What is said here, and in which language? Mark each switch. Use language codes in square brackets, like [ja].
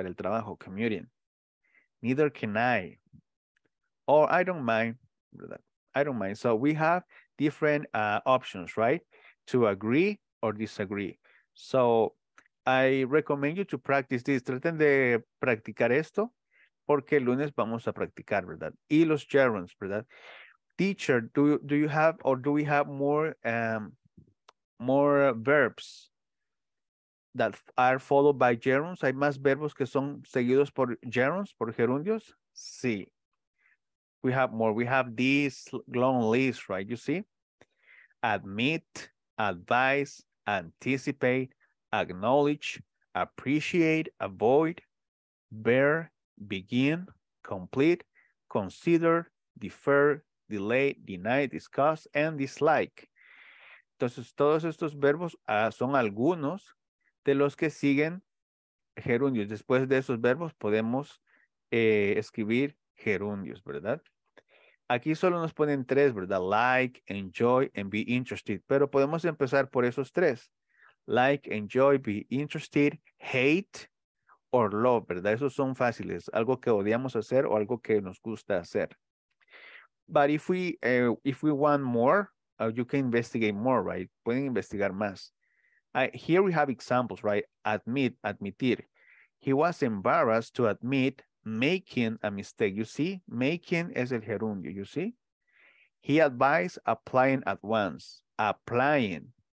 [es] Para el trabajo, [en] commuting. Neither can I. Or I don't mind, [es] ¿verdad? [en] I don't mind. So we have different options, right? To agree or disagree. So I recommend you to practice this. [es] Traten de practicar esto porque el lunes vamos a practicar, ¿verdad? Y los gerunds, ¿verdad? [en] Teacher, do you have or do we have more verbs that are followed by gerunds? [es] ¿Hay más verbos que son seguidos por gerunds, por gerundios? Sí. [en] We have more. We have this long list, right? You see? Admit, advise, anticipate, acknowledge, appreciate, avoid, bear, begin, complete, consider, defer, delay, deny, discuss, and dislike. [es] Entonces, todos estos verbos son algunos de los que siguen gerundios. Después de esos verbos podemos escribir gerundios, ¿verdad? Aquí solo nos ponen tres, ¿verdad? [en] Like, enjoy, and be interested. [es] Pero podemos empezar por esos tres. [en] Like, enjoy, be interested, hate, or love, [es] ¿verdad? Esos son fáciles. Algo que odiamos hacer o algo que nos gusta hacer. [en] But if we want more, you can investigate more, right? [es] Pueden investigar más. [en] Here we have examples, right? Admit, admitir. He was embarrassed to admit making a mistake. You see, making [es] es el gerundio, [en] you see? He advised applying at once, applying.